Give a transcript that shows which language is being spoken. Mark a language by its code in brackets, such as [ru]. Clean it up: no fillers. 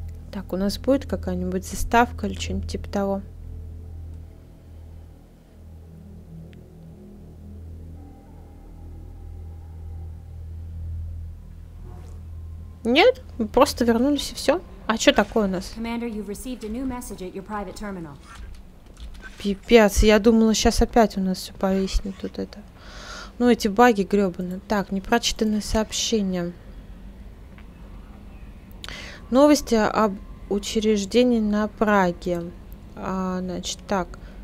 [ru] Так, у нас будет какая-нибудь заставка или что-нибудь типа того? Нет, мы просто вернулись и все. А что такое у нас? [en] Commander, you've received a new message at your private terminal. [ru] Пипец, я думала, сейчас опять у нас все повиснет вот это. Ну, эти баги гребаные. Так, непрочитанное сообщение. Новости об учреждении на Праге. А, значит, так.